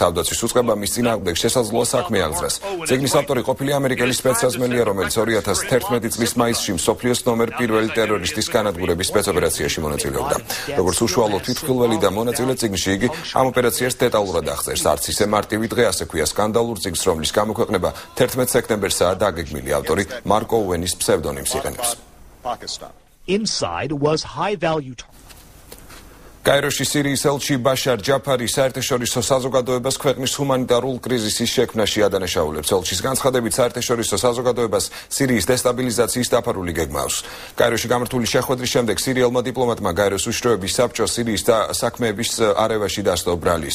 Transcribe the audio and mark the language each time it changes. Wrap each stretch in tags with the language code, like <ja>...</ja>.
<ka>თავდაცვის უწყება მის წინააღმდეგ შესაძლოა საქმე აღძრას. წიგნის ავტორი ყოფილი ამერიკელი სპეცსაზმელია, რომელიც 2011 წლის მაისში მსოფლიოს ნომერ პირველი ტერორისტის განადგურების სპეცოპერაციაში მონაწილეობდა. როგორც უშუალო თვითმხილველი და მონაწილე წიგნში, იგი ამ ოპერაციას დეტალურად აღწერს. არც ისე მარტივი დღე, ასე ქვია სკანდალურ წიგნს, რომლის გამოქვეყნება 11 სექტემბერსაა დაგეგმილი. ავტორი მარკო უენის ფსევდონიმს იყენებს.</ka> <en>Inside was high value target.</en> <ka>კაიროში სირიის ელჩი ბაშარ ჯაფარი საერთაშორისო საზოგადოებას ქვეყნის ჰუმანიტარულ კრიზისის შექმნაში ადანაშაულებს. ელჩის განცხადებით საერთაშორისო საზოგადოებას სირიის დესტაბილიზაციის დაფარული გეგმა აქვს. კაიროში გამართული შეხვედრის შემდეგ სირიელმა დიპლომატმა გაეროს უშროების საბჭო სირიის და საქმეების არევაში დასდო ბრალი.</ka>